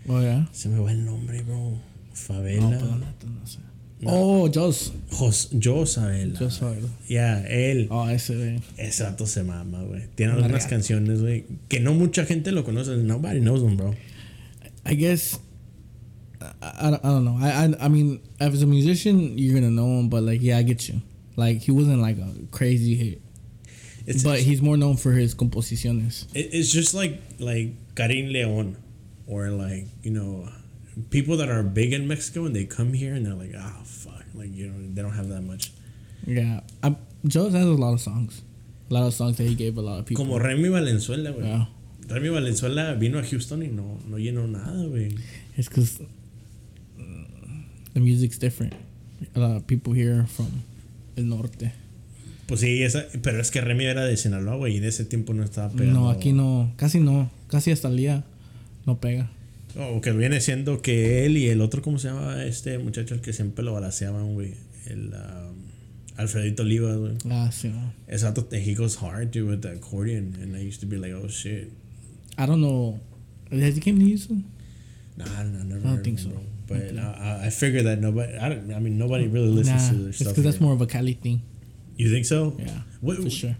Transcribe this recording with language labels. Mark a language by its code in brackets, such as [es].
[en] Oh, yeah. [es] Se me va el nombre, bro. Favela. No, pero no sé. No. Oh, Joss Favela. Yeah, él. Oh, ese, güey. Ese vato se mama, güey. Tiene Mariano. Algunas canciones, güey, que no mucha gente lo conoce. [en] Nobody knows him, bro. I guess. I don't know. I mean, as a musician, you're gonna know him, but like, yeah, I get you. Like, he wasn't like a crazy hit. He's more known for his composiciones. It's just like Karim León or like, you know, people that are big in Mexico and they come here and they're like, ah, oh, fuck. Like, you know, they don't have that much. Yeah. Joe has a lot of songs. A lot of songs that he gave a lot of people. [es] Como Remy Valenzuela, güey. Yeah. Remy Valenzuela vino a Houston y no llenó nada, güey. [en] It's because the music's different. A lot of people here are from el norte. [es] Pues sí, pero es que Remy era de Sinaloa, güey, y en ese tiempo no estaba pegando. No, aquí no, casi no, casi hasta el día no pega. O oh, que viene siendo que él y el otro, ¿cómo se llama este muchacho? El que siempre lo balaceaban, güey, el Alfredito Olivas, güey. Ah, sí, no. [en] Exacto, he goes hard, dude, with the accordion, and I used to be like, oh, shit. I don't know, has he came to Houston? No, I don't think so. Bro. But okay. I figured that nobody really listens to their stuff. Because that's more of a Cali thing. You think so? Yeah, for sure.